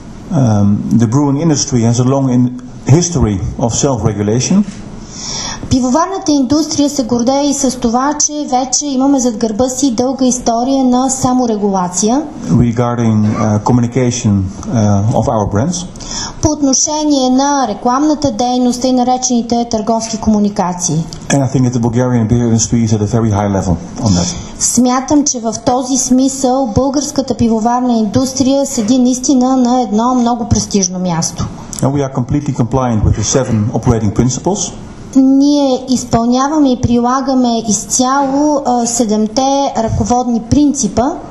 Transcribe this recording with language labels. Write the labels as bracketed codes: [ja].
[en] The brewing industry has a long history of self-regulation. [bg] Пивоварната индустрия се гордее и с това, че вече имаме зад гърба си дълга история на саморегулация. [en] Regarding communication of our brands. [bg] По отношение на рекламната дейност и наречените търговски комуникации. [en] And I think that the Bulgarian beer industry is at a very high level on that. [bg] Смятам, че в този смисъл българската пивоварна индустрия седи наистина на едно много престижно място. [en] And we are completely compliant with the 7 operating principles. [bg] Ние изпълняваме и прилагаме изцяло 7-те ръководни принципа.